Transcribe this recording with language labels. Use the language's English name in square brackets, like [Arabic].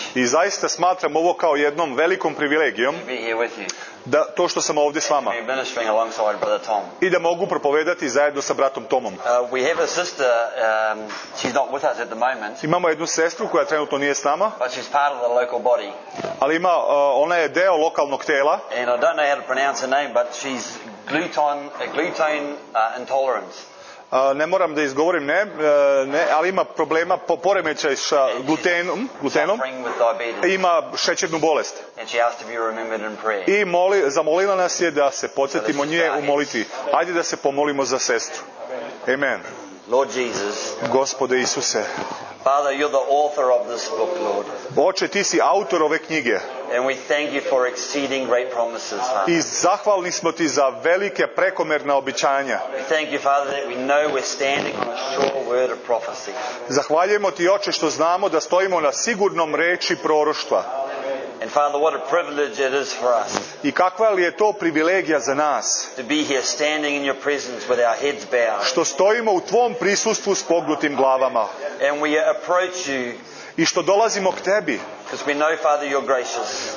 [Serbian] И заиста сматрам ово као једном великом привилегијом. [English] To be here with you. [Serbian] Да то што сам овде с вама. [English] And to be ministering alongside brother Tom. [Serbian] И да могу проповедати заедно са братом Томом. [English] We have a sister, she's not with us at the moment. [Serbian] Имамо једну сестру која тренутно није с нама. [English] But she's part of the local body. [Serbian] Али има, она је део локалног тела. [English] And I don't know how to pronounce her name, but she's gluten intolerance. [Serbian] Ne moram da izgovorim ne, ali ima problema poremećaj sa glutenom. Ima šećernu bolest. [English] And she has to be remembered in prayer. [Serbian] I moli, zamolila nas je da se podsjetimo nje u molitvi. Hajde da se pomolimo za sestru. Amen. [English] Lord Jesus. [Serbian] Gospode Isuse. [English] Father, you're the author of this book, Lord. [Serbian] Oče, ti si autor ove knjige. [English] And we thank you for exceeding great promises, Father. [Serbian] I zahvalni smo ti za velike prekomerna obećanja. [English] Thank you, Father, that we know we're standing on a sure word of prophecy. [Serbian] Zahvaljujemo ti, Oče, što znamo da stojimo na sigurnom reči proroštva. [English] And Father, what a privilege it is for us. [Serbian] I kakva li je to privilegija za nas? [English] To be here standing in your presence with our heads bowed. [Serbian] Što stojimo u tvom prisustvu s pognutim glavama. [English] And we approach you. [Serbian] I što dolazimo k tebi. [English] Because we know, Father, you're gracious.